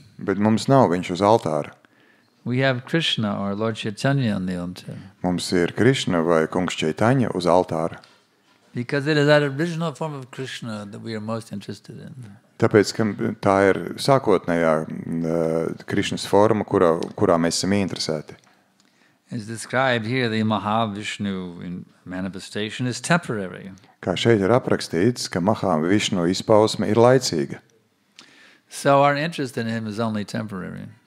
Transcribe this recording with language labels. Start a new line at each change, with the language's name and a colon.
Latvian: Bet mums nav viņš uz altāra.
English: We have Krishna or Lord Chaitanya on the altar.
Latvian: Mums ir Krishna vai kungs Chaitanya uz altāra.
English: Because it is that original form of Krishna that we are most interested in.
Latvian: Tāpēc, ka tā ir sākotnējā Krišnas forma, kurā mēs esam interesēti.
English: As described here, the Mahavishnu manifestation is temporary.
Latvian: Kā šeit ir aprakstīts, ka Mahavishnu izpausme ir laicīga.
English: So our interest in him is only temporary.